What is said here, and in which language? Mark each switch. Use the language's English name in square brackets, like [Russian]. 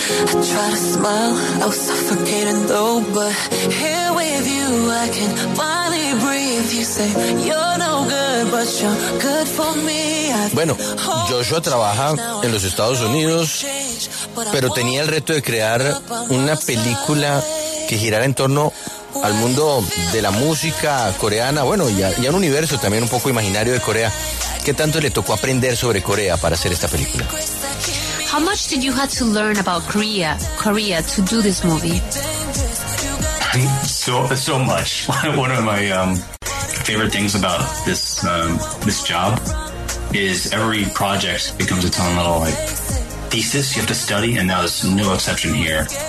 [English] I try to smile, I was suffocating though, but here with you I can finally breathe. You say you're no good, but you're good for me. [Spanish] Bueno, Joshua trabaja en los Estados Unidos, pero tenía el reto de crear una película que girara en torno al mundo de la música coreana, bueno, y a un universo también un poco imaginario de Corea. ¿Qué tanto le tocó aprender sobre Corea para hacer esta película? [English] How much did you have to learn about Korea to do this movie? So much. One of my favorite things about this this job is every project becomes its own little like thesis you have to study, and that was no exception here.